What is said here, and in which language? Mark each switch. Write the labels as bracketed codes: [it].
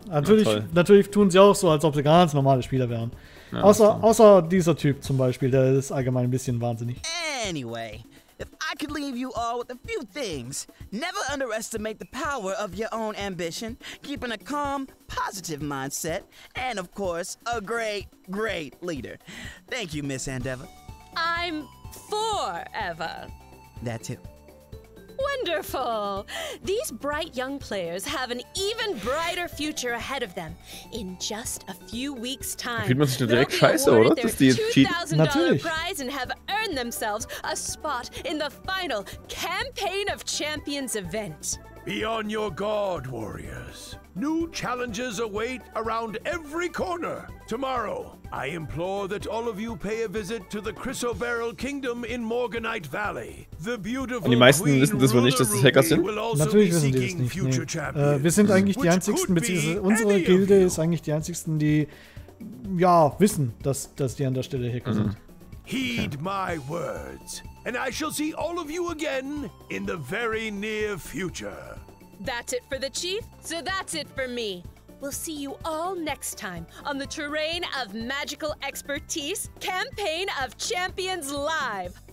[de] Natürlich, natürlich tun sie auch so, als ob sie ganz normale Spieler wären. Ja, außer dieser Typ zum Beispiel, der ist allgemein ein bisschen wahnsinnig. [en] Anyway, if I could leave you all with a few things. Never underestimate the power of your own ambition, keeping a calm, positive mindset, and of course, a great, great leader. Thank you, Miss Endeavor. I'm forever. That too. Wonderful. These bright young players have an even brighter future ahead of them. In just a few weeks' time, [de] fühlt man sich direkt scheiße, oder? Das ist die [en] $2,000 prize and have earned themselves a spot in the final Campaign of Champions event. Be on your guard, warriors. New challenges await around every corner. Tomorrow, I implore that all of you pay a visit to the Chrysoberyl Kingdom in Morganite Valley. The beautiful [de] und die meisten wissen das wohl nicht, dass das Hacker sind? Natürlich wissen die das nicht. Nee. Wir sind eigentlich die einzigsten, beziehungsweise unsere Gilde ist eigentlich die einzigsten, die ja wissen, dass die an der Stelle Hacker sind. [en] Heed my words. And I shall see all of you again in the very near future. That's it for the chief, so that's it for me. We'll see you all next time on the Terrain of Magical Expertise Campaign of Champions Live.